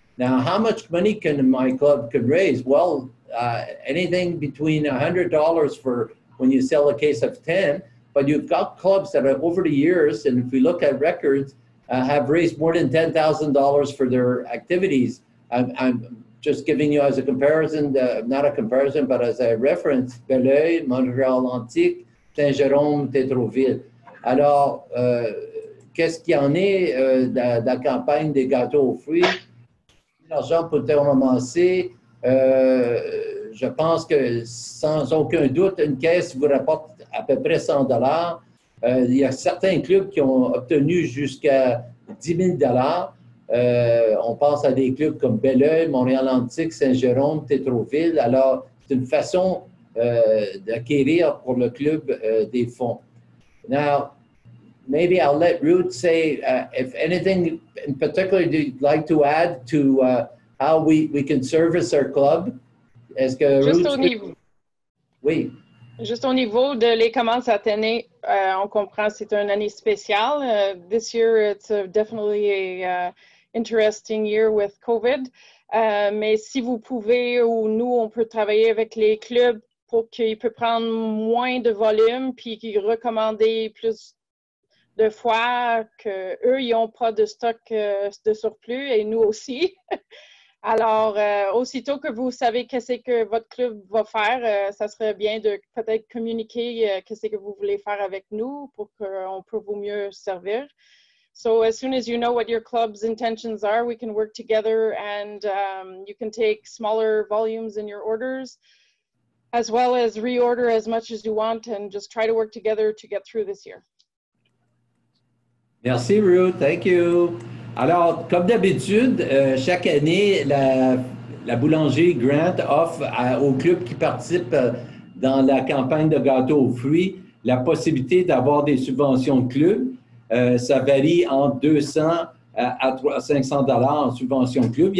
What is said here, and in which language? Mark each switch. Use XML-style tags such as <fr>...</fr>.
<en>Now, how much money can my club can raise? Well, anything between $100 for when you sell a case of 10, but you've got clubs that are over the years, and if we look at records, have raised more than $10,000 for their activities. I'm just giving you as a comparison, not a comparison, but as a reference, Belleuil, Montréal Antique, Saint-Jérôme, Tétroville.</en> <fr>Alors, qu'est-ce qu'il y en est de la campagne des gâteaux aux fruits? L'argent peut être amassé Je pense que sans aucun doute, une caisse vous rapporte à peu près 100 $. Il y a certains clubs qui ont obtenu jusqu'à 10 000 $. On pense à des clubs comme Belleuil, Montréal-Antique, Saint-Jérôme, Tétroville. Alors, c'est une façon d'acquérir pour le club des fonds.</fr> <en>Now, maybe I'll let Ruth say if anything in particular you'd like to add to how we can service our club.</en> <fr>Est-ce que Ruth... Juste au niveau. Oui. Juste au niveau de les commences cette année, on comprend c'est une année spéciale.</fr> <en>This year, it's definitely an interesting year with COVID.</en> <fr>Mais si vous pouvez ou nous, on peut travailler avec les clubs pour qu'ils puissent prendre moins de volume puis qu'ils recommandent plus de fois qu'eux, ils n'ont pas de stock de surplus et nous aussi. Alors, aussitôt que vous savez qu'est-ce que votre club va faire, ça serait bien de peut-être communiquer qu'est-ce que vous voulez faire avec nous pour qu'on puisse vous mieux servir.</fr> <en>So, as soon as you know what your club's intentions are, we can work together and you can take smaller volumes in your orders, as well as reorder as much as you want and just try to work together to get through this year.</en> <fr>Merci, Ruth.</fr> <en>Thank you.</en> <fr>Alors, comme d'habitude, chaque année, la boulangerie Grant offre aux clubs qui participent dans la campagne de gâteaux aux fruits la possibilité d'avoir des subventions de club. Ça varie entre 200 à 500 $ en subventions de club.</fr>